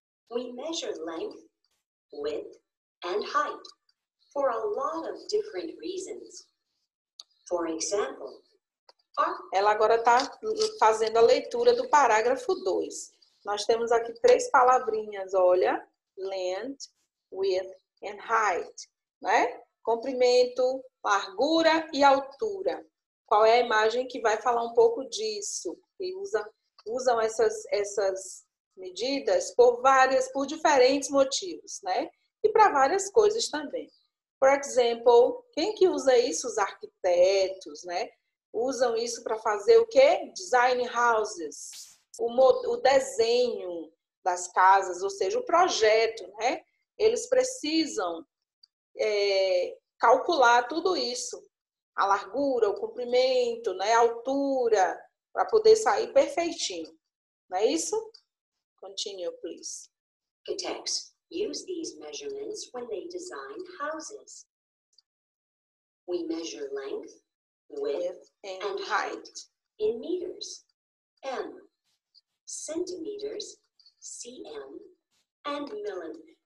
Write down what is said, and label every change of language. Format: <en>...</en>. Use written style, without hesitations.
<en>We measure length, width, and height for a lot of different reasons. For example,</en> <pt>ela agora está fazendo a leitura do parágrafo 2. Nós temos aqui três palavrinhas, olha.</pt> <en>Length, width, and height.</en> <pt>Né? Comprimento, largura e altura. Qual é a imagem que vai falar um pouco disso? E usam essas medidas por várias, por diferentes motivos, né? E para várias coisas também. Por exemplo, quem que usa isso? Os arquitetos, né? Usam isso para fazer o quê? Design houses, o desenho das casas, ou seja, o projeto, né? Eles precisam calcular tudo isso. A largura, o comprimento, né? A altura, para poder sair perfeitinho. Não é isso? Continue, please.</pt> <en>Architects use these measurements when they design houses. We measure length, width, and height in meters, m, centimeters, cm, and millimeters.</en>